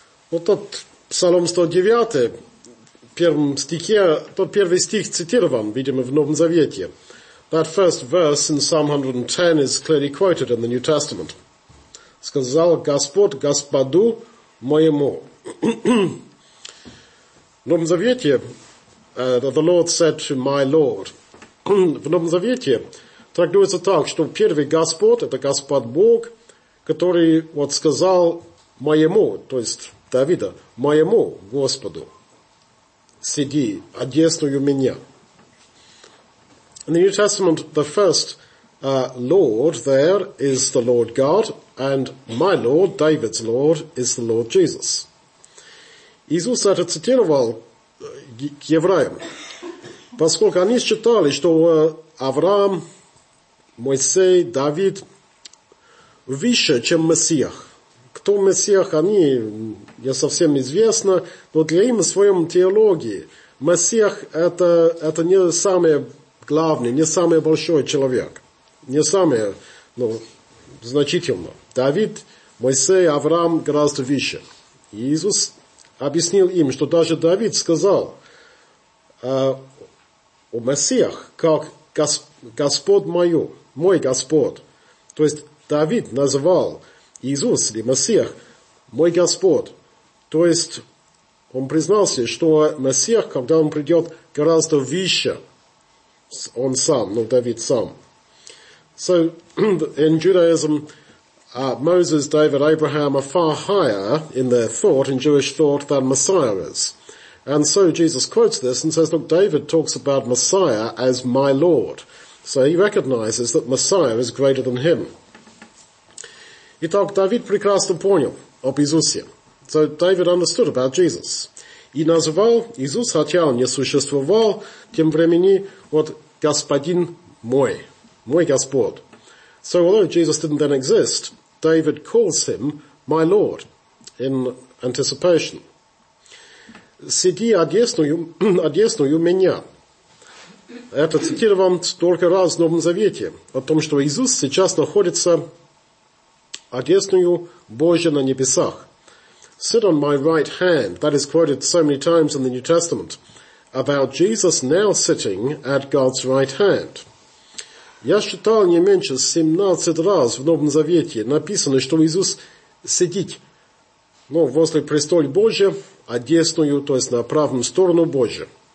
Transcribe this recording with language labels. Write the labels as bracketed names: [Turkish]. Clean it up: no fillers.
[Russian] Вот тот Псалом 109, в первом стихе, тот первый стих цитирован, видимо, в Новом Завете. [English] That first verse in Psalm 110 is clearly quoted in the New Testament. [Russian] Сказал Господь Господу моему. В Новом Завете, [English] that the Lord said to my Lord. [Russian] В Новом Завете трактуется так, что первый Господь, это Господь Бог, который вот сказал моему, то есть Давида, моему Господу, сиди, одесную меня. [English] In the New Testament, the first Lord there is the Lord God, and my Lord, David's Lord, is the Lord Jesus. [Russian] Иисус это цитировал к евреям, поскольку они считали, что Авраам, Моисей, Давид выше, чем Мессиях. Кто Мессиях, они не совсем известны, но для им в своем теологии Мессиях это не самый главный, не самый большой человек, не самый, ну, значительно. Давид, Моисей, Авраам гораздо выше. И Иисус объяснил им, что даже Давид сказал о Мессиях, как Господь мою. Мой Господь. То есть Давид называл Иисуса, или Мессия, мой Господь. То есть он признался, что Мессия, когда он придет, гораздо выше. Он сам, ну, Давид сам. [English] So, in Judaism, Moses, David, Abraham are far higher in their thought, in Jewish thought, than Messiah is. And so Jesus quotes this and says, look, David talks about Messiah as my Lord. So he recognizes that Messiah is greater than him. [Russian] Итак, Давид прекрасно понял об Иисусе. [English] So David understood about Jesus. [Russian] И называл Иисус, хотя он не существовал, тем времени, вот, Господин мой, мой Господь. [English] So although Jesus didn't then exist, David calls him my Lord in anticipation. [Russian] Сиди одесную меня. Это цитирован столько раз в Новом Завете, о том, что Иисус сейчас находится одесную Божью на небесах. [English] Sit on my right hand. That is quoted so many times in the New Testament about Jesus now sitting at God's right hand. [Russian] Я считал не меньше 17 раз в Новом Завете написано, что Иисус сидит, ну, возле престоля Божия, одесную, то есть на правом сторону Божия.